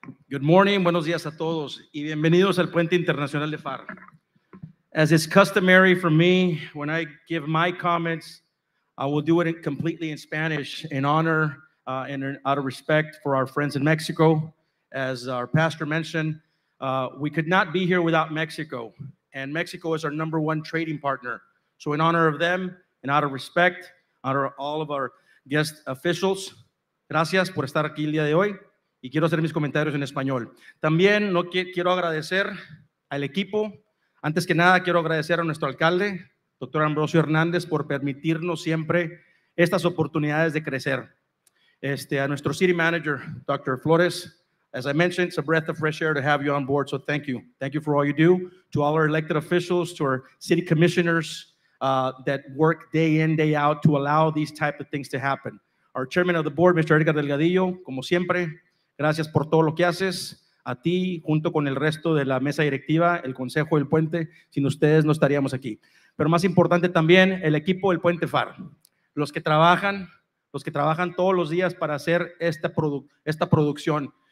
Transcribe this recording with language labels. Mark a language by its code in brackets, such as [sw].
[en] Good morning, [es] buenos días a todos, y bienvenidos al Puente Internacional de FAR. [en] As is customary for me, when I give my comments, I will do it completely in Spanish in honor and out of respect for our friends in Mexico. As our pastor mentioned, we could not be here without Mexico, and Mexico is our number one trading partner. So in honor of them, and out of respect, honor all of our guest officials, [es] gracias por estar aquí el día de hoy, y quiero hacer mis comentarios en español. También quiero agradecer al equipo. Antes que nada, quiero agradecer a nuestro alcalde, Dr. Ambrosio Hernández, por permitirnos siempre estas oportunidades de crecer. A nuestro city manager, Dr. Flores. [en] As I mentioned, it's a breath of fresh air to have you on board, so thank you. Thank you for all you do. To all our elected officials, to our city commissioners, that work day in, day out to allow these type of things to happen. Our chairman of the board, Mr. [es] Edgar Delgadillo, como siempre, gracias por todo lo que haces. A ti, junto con el resto de la mesa directiva, el consejo, el puente, sin ustedes no estaríamos aquí. Pero más importante también, el equipo del Puente FAR, los que trabajan todos los días para hacer esta producción.